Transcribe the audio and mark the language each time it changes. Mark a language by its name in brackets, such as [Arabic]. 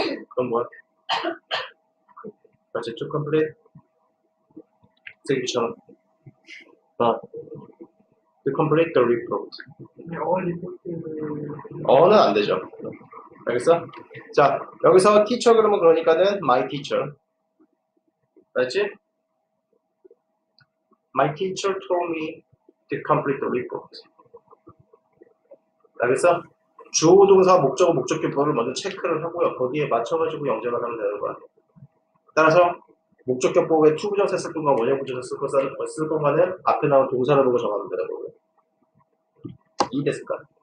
[Korean] 그럼 뭐 할게. 맞지, 투 컴플릿. 쓰기 귀찮아. 투 컴플릿 더 리포트. 어는 안 되죠. 알겠어? 자, 여기서 teacher 그러면 그러니까는 [English] my teacher. [Korean] 알았지? [English] My teacher told me to complete the report. [Korean] 알겠어? 주어 동사 목적어 목적격 부호를 먼저 체크를 하고요. 거기에 맞춰가지고 영재만 하면 되는 거야. 따라서 목적격 부호에 to 부정사 쓸 것과 원형 부정사 쓸 것을 쓸 것만은 앞에 나온 동사를 보고 정하면 되는 거고요. 이해됐을까?